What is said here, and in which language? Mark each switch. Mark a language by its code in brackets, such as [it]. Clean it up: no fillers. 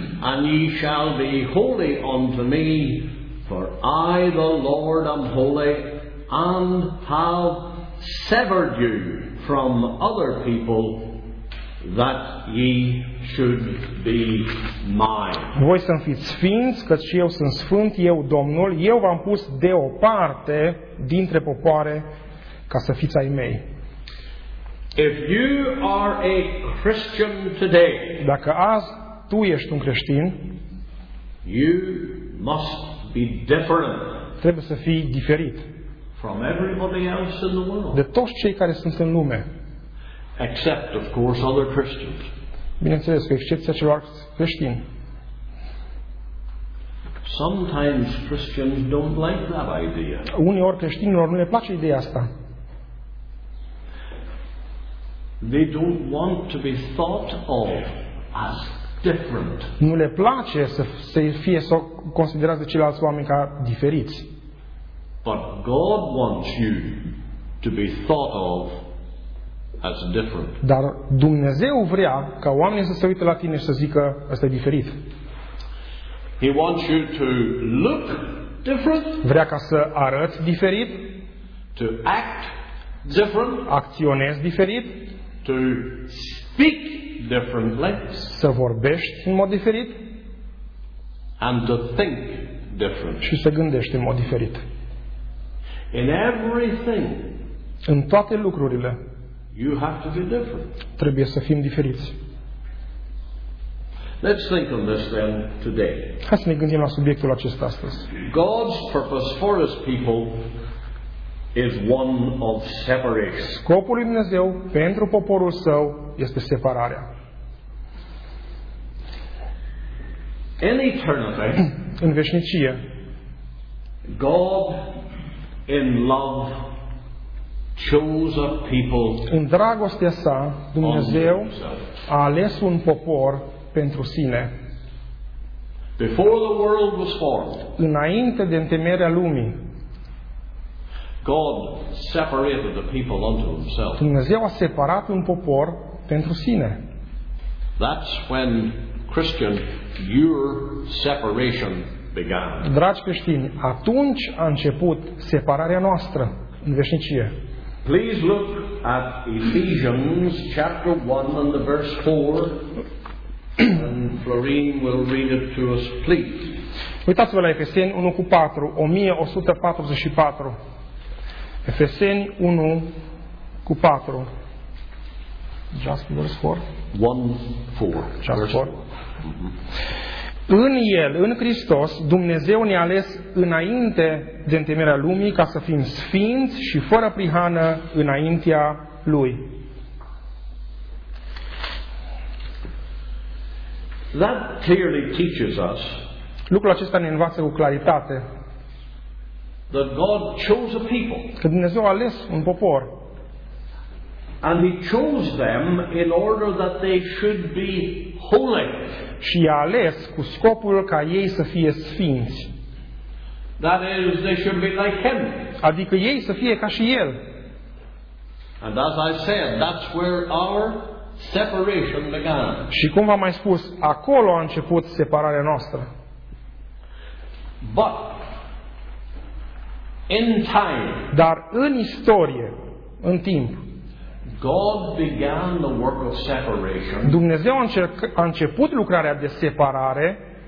[en] And ye shall be holy unto me, for I the Lord am holy, and have severed you from other people, that ye should be mine. [ro] Voi să fiți sfinți, căci eu sunt sfânt, eu Domnul, eu v-am pus deoparte dintre popoare ca să fiți ai mei. [en] If you are a Christian today, [ro] dacă azi tu ești un creștin, [en] you must be different. [ro] Trebuie să fii diferit [en] from everybody else in the world. [ro] De toți cei care sunt în lume. [en] Except, of course, other Christians. [ro] Bineînțeles, cu excepția celor creștini. [en] Sometimes Christians don't like that idea. [ro] Uneori creștinilor nu le place ideea asta. [en] They don't want to be thought of as different. [ro] Nu le place să fie considerați de ceilalți oameni ca diferiți. [en] But God wants you to be thought of as different. [ro] Dar Dumnezeu vrea ca oamenii să se uite la tine și să zică ăsta e diferit. [en] He wants you to look different. [ro] Vrea ca să arăți diferit. [en] To act different. [ro] Acționezi diferit. [en] To speak differently, [ro] să vorbești în mod diferit, [en] and to think differently, [ro] și să gândești în mod diferit. [en] In everything, [ro] în toate lucrurile, [en] you have to be different. [ro] Trebuie să fim diferiți. [en] Let's think on this then today. [ro] Hai să ne gândim la subiectul acesta astăzi. [en] God's purpose for His people is one of separation. [ro] Scopul lui Dumnezeu pentru poporul său este separarea. [en] In eternity, [ro] în veșnicie, [en] God in love chose a people. [ro] În dragostea sa, Dumnezeu a ales un popor pentru sine. [en] Before the world was formed. [ro] Înainte de întemeierea lumii. [en] God separated the people unto himself. [ro] Dumnezeu a separat un popor pentru sine. [en] That's when Christian your separation began. [ro] Dragi creștini, atunci a început separarea noastră în veșnicie. [en] Please look at Ephesians chapter 1 and the verse 4. And Florine will read it to us, please. [ro] Uitați-vă la Efeseni 1 cu 4, 1144. Efeseni 1 cu 4. [en] Just verse 4. [ro] 1:4. În El, în Hristos, Dumnezeu ne-a ales înainte de întemeierea lumii ca să fim sfinți și fără prihană înaintea Lui. [en] That clearly teaches us. [ro] Lucrul acesta ne învață cu claritate [en] that God chose a people. [ro] Că Dumnezeu a ales un popor. [en] And he chose them in order that they should be holy. [ro] Și i-a ales cu scopul ca ei să fie sfinți. [en] That is, they should be like him. [ro] Adică ei să fie ca și el. [en] And as I said, that's where our separation began. [ro] Și cum v-am mai spus, acolo a început separarea noastră. [en] But in time, [ro] dar în istorie, în timp, [en] God began the work of separation. [ro] Dumnezeu a început lucrarea de separare